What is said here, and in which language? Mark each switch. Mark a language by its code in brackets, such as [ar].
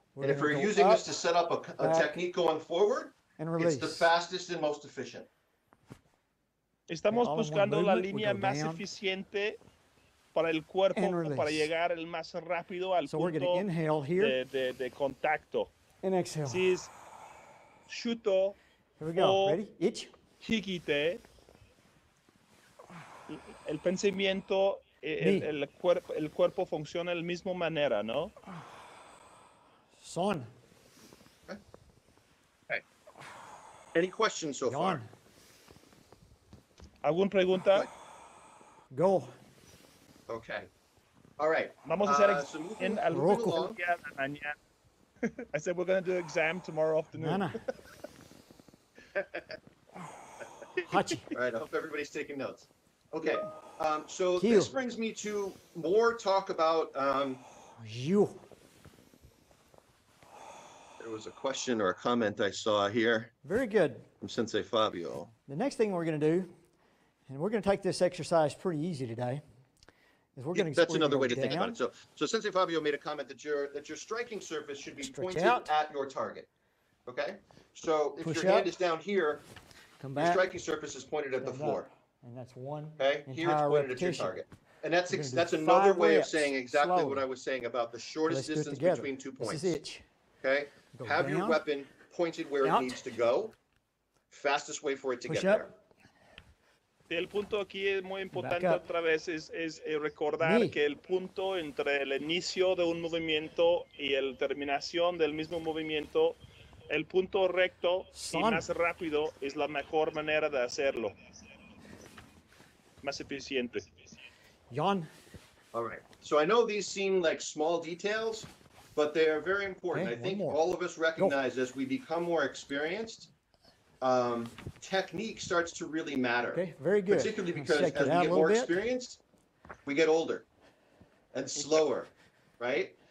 [en] And if you're using this to set up a technique going forward, and release. It's the fastest and most efficient. [es] Estamos buscando la línea más eficiente para el cuerpo para llegar el más rápido al punto de contacto. [en] And exhale. [es] Si es shuto, [en] here we go. Ready? Itch. Higite. [es] El pensamiento, el cuerpo funciona de la misma manera, ¿no? Son. [en] Okay. Any questions so far? [es] ¿Algún pregunta? [en] Go. Okay. All right. [es] Vamos a hacer en algún día de mañana. [en] I said we're going to do exam tomorrow afternoon. [ja] Nana. Hachi. [en] All right. I hope everybody's taking notes. Okay. So Kiyo. This brings me to more talk about you. There was a question or a comment I saw here. Very good. From Sensei Fabio. The next thing we're going to do, and we're going to take this exercise pretty easy today, is we're going to that's another way to think about it. So Sensei Fabio made a comment that your striking surface should be pointed at your target. Okay? So if your hand is down here, come back, your striking surface is pointed at the floor. And that's one. Okay? Here it's pointed at your target. And that's another way of saying exactly what I was saying about the shortest distance between two points. This is it. Okay? Have your weapon pointed where it needs to go. Fastest way for it to get there. [es] El punto aquí es muy importante otra vez es recordar que el punto entre el inicio de un movimiento y el terminación del mismo movimiento, el punto recto y más rápido es la mejor manera de hacerlo. Más eficiente. Jan. [en] All right. So I know these seem like small details, but they are very important. Okay, I think all of us recognize as we become more experienced, technique starts to really matter. Okay, very good. Particularly because as we get more experienced, we get older and slower, right?